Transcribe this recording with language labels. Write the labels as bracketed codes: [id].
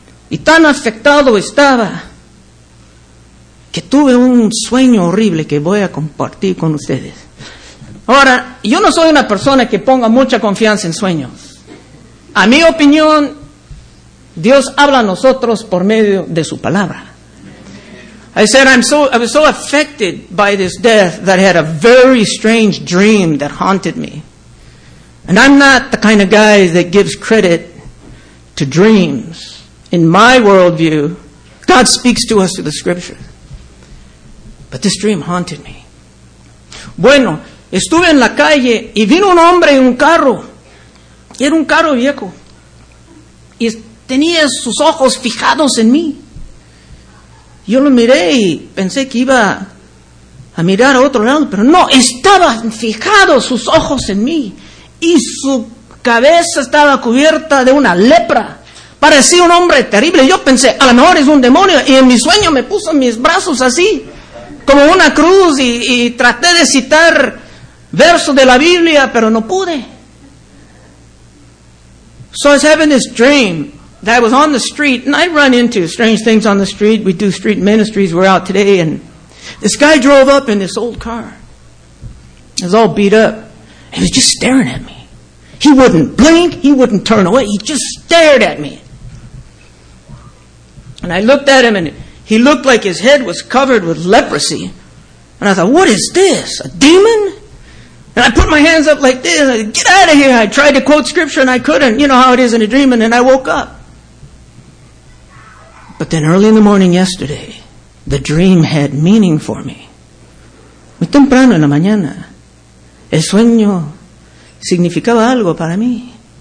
[es] Y tan afectado estaba que tuve un sueño horrible que voy a compartir con ustedes. Ahora, yo no soy una persona que ponga mucha confianza en sueños. A mi opinión, Dios habla a nosotros por medio de su palabra. [en] I said, I was so affected by this death that I had a very strange dream that haunted me. And I'm not the kind of guy that gives credit to dreams. In my worldview, God speaks to us through the scripture. But this dream haunted me. [es] Bueno, estuve en la calle y vino un hombre en un carro. Era un carro viejo. Y tenía sus ojos fijados en mí. Yo lo miré y pensé que iba a mirar a otro lado, pero no, estaban fijados sus ojos en mí y su cabeza estaba cubierta de una lepra. Parecía un hombre terrible. Yo pensé, a lo mejor es un demonio, y en mi sueño me puso mis brazos así, como una cruz, y traté de citar versos de la Biblia, pero no pude. [en] So I was having this dream that I was on the street, and I run into strange things on the street. We do street ministries. We're out today, and this guy drove up in this old car. It was all beat up. He was just staring at me. He wouldn't blink. He wouldn't turn away. He just stared at me. And I looked at him, and he looked like his head was covered with leprosy. And I thought, what is this, a demon? And I put my hands up like this. I said, get out of here. I tried to quote scripture, and I couldn't. You know how it is in a dream, and then I woke up. But then early in the morning yesterday, the dream had meaning for me. [es] Muy temprano en la mañana, el sueño significaba algo para mí.